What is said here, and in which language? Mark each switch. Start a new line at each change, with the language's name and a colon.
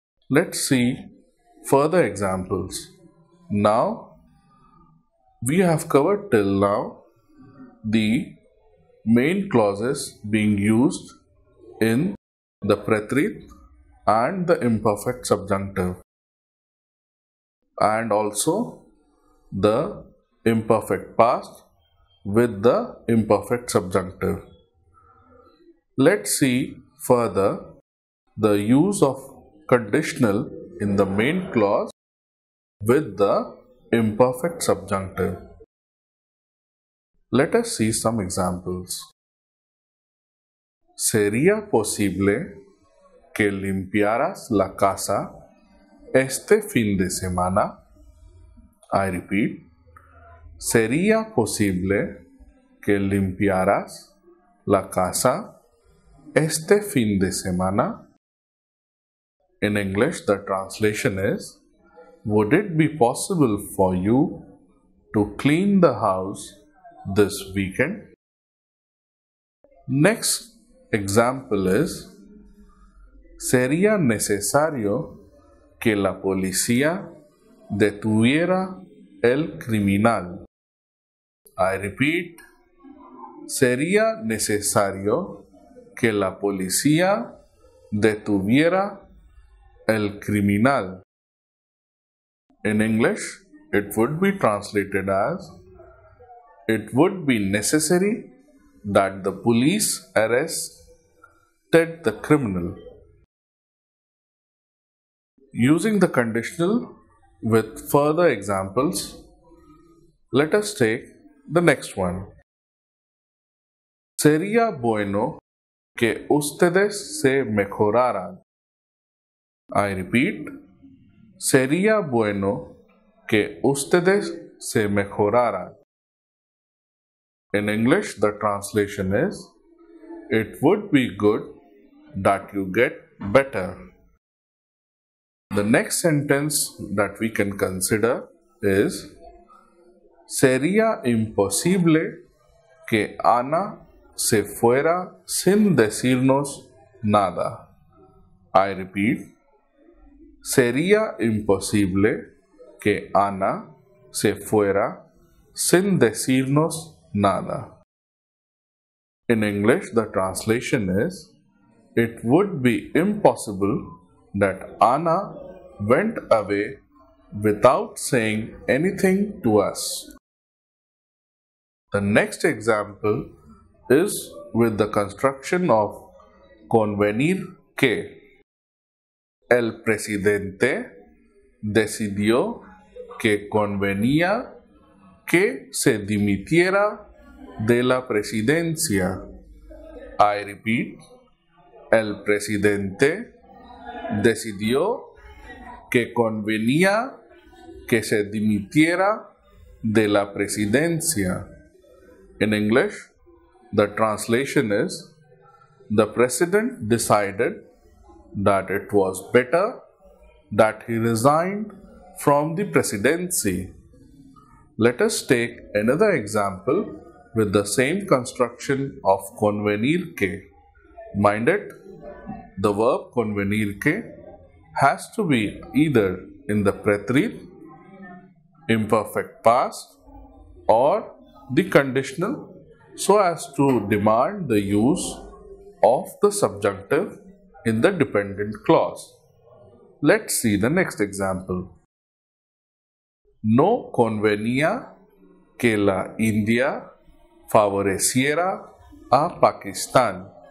English: Let's see further examples. Now, we have covered till now the main clauses being used in the pretérito and the imperfect subjunctive, and also the imperfect past with the imperfect subjunctive. Let's see further the use of conditional in the main clause with the imperfect subjunctive. Let us see some examples.
Spanish: ¿Sería posible que limpiaras la casa este fin de semana?
English: I repeat.
Spanish: ¿Sería posible que limpiaras la casa este fin de semana?
English: In English, the translation is, would it be possible for you to clean the house this weekend? Next example is,
Spanish: ¿sería necesario que la policía detuviera el criminal?
English: I repeat,
Spanish: ¿sería necesario que la policía detuviera el criminal?
English: In English, it would be translated as, it would be necessary that the police arrested the criminal. Using the conditional with further examples, let us take the next one.
Spanish: Sería bueno que ustedes se mejoraran.
English: I repeat,
Spanish: sería bueno que ustedes se mejoraran.
English: In English, the translation is, it would be good that you get better. The next sentence that we can consider is,
Spanish: sería imposible que Ana se fuera sin decirnos nada.
English: I repeat,
Spanish: sería imposible que Ana se fuera sin decirnos nada.
English: In English, the translation is, it would be impossible that Ana went away without saying anything to us. The next example is with the construction of convenir que.
Spanish: El presidente decidió que convenía que se dimitiera de la presidencia.
English: I repeat,
Spanish: el presidente decidió que convenía que se dimitiera de la presidencia.
English: In English, the translation is, the president decided that it was better that he resigned from the presidency. Let us take another example with the same construction of convenir que. Mind it, the verb convenir que has to be either in the pretérito, imperfect past, or the conditional, so as to demand the use of the subjunctive in the dependent clause. Let's see the next example.
Spanish: No convenía que la India favoreciera a Pakistán.